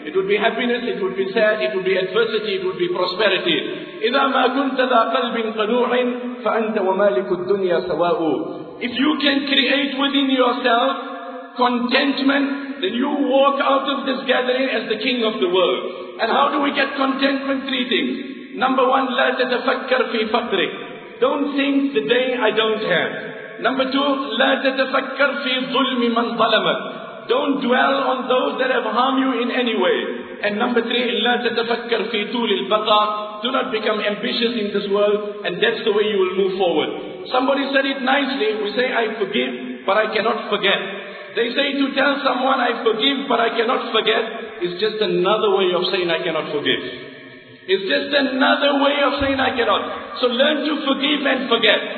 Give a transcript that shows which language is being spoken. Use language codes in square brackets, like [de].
[en] It would be happiness, it would be sad, it would be adversity, it would be prosperity. [ar] إِذَا مَا كُنْتَ ذَا قَلْبٍ قَنُوعٍ فَأَنْتَ وَمَالِكُ الدُّنْيَا سَوَاءُ. [en] If you can create within yourself contentment, then you walk out of this gathering as the king of the world. And how do we get contentment? Three things. Number one, [ar] لَا تَتَفَكَّرْ فِي فَقْرِكْ. [en] Don't think the day I don't have. Number two, [ar] لَا تَتَفَكَّرْ فِي ظُلْمِ مَنْ ظَلَمَكْ. [en] Don't dwell on those that have harmed you in any way. And number three, [ar] لَا تَتَفَكَّرْ فِي طُولِ الْبَقَى. [en] Do not become ambitious in this world, and that's the way you will move forward. Somebody said it nicely. We say, I forgive, but I cannot forget. They say to tell someone, I forgive, but I cannot forget, is just another way of saying, I cannot forgive. It's just another way of saying, I cannot. So learn to forgive and forget.